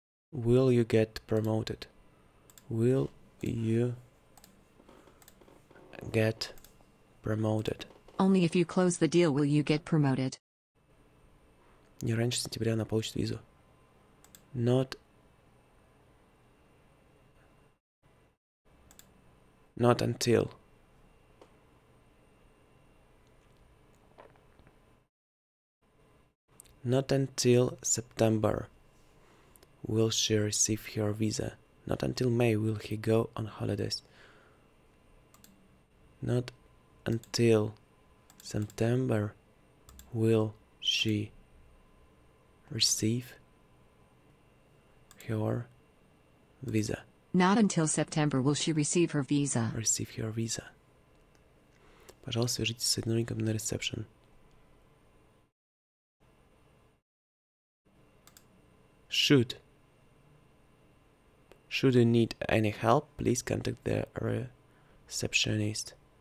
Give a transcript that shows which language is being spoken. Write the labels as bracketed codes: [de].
[en] will you get promoted? Will you get promoted? Only if you close the deal will you get promoted. [ru] Не раньше сентября она получит визу. [en] Not until. Not until September will she receive her visa. Not until May will he go on holidays. Not until September will she receive her visa. Not until September will she receive her visa. Receive her visa. [ru] Пожалуйста, свяжитесь с сотрудником на ресепшн. [en] Should you need any help, please contact the receptionist.